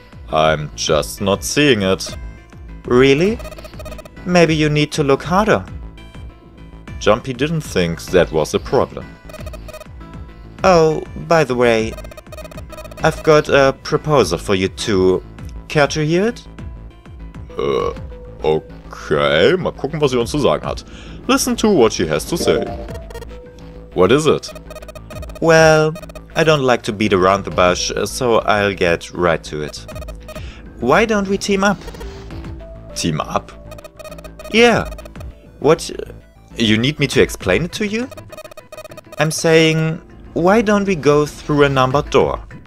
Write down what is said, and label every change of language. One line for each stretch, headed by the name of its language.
English: I'm just not seeing it. Really? Maybe you need to look harder. Jumpy didn't think that was a problem. Oh, by the way, I've got a proposal for you two. Care to hear it?
German: Okay, mal gucken, was sie uns zu sagen hat.
English: Listen to what she has to say. What is it? Well, I don't like to beat around the bush, so I'll get right to it. Why don't we team up? Team up? Yeah. What? You need me to explain it to you? I'm saying, why don't we go through a numbered door?